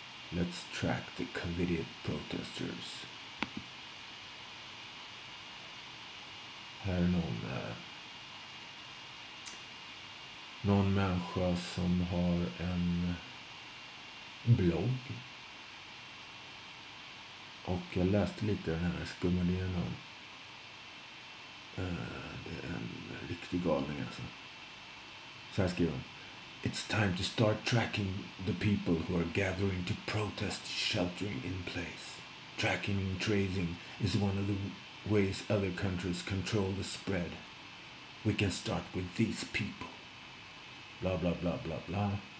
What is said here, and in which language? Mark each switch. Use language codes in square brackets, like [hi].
[en] Let's track the COVID protesters. [sv] Här är någon människa som har en blogg. Och jag läste lite den här, skummade igenom. Det är en riktig galning alltså. Så här skriver hon. [en] It's time to start tracking the people who are gathering to protest sheltering in place. Tracking and tracing is one of the ways other countries control the spread. We can start with these people. Blah, blah, blah, blah, blah.